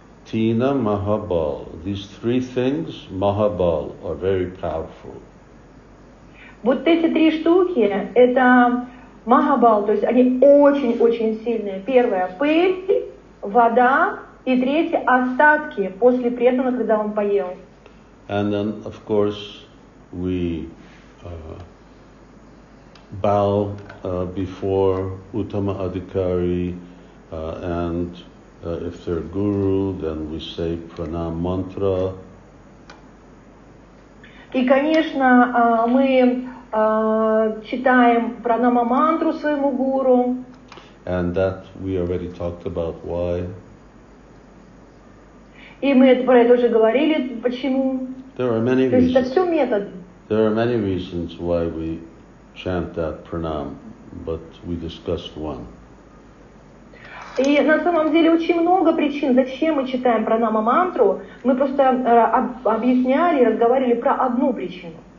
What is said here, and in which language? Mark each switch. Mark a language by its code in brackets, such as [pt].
[en] Tina Mahabal. These three things, Mahabal, are very powerful. [ru] Вот эти три штуки это Mahabal, то есть они очень-очень сильные. Первое пыль, вода и третье остатки после преданного, когда он поел. [en] And then, of course, we bow before Uttama Adhikari, and if they're guru, then we say pranam mantra. [ru] И конечно мы читаем пранама мантру своему гуру. [en] And that we already talked about why. [ru] И мы про это уже говорили почему. [en] There are many reasons. [ru] То есть это все метод. [en] There are many reasons why we chant that pranam, but we discussed one. [ru] И на самом деле очень много причин, зачем мы читаем пранама мантру. Мы просто объясняли, разговаривали про одну причину.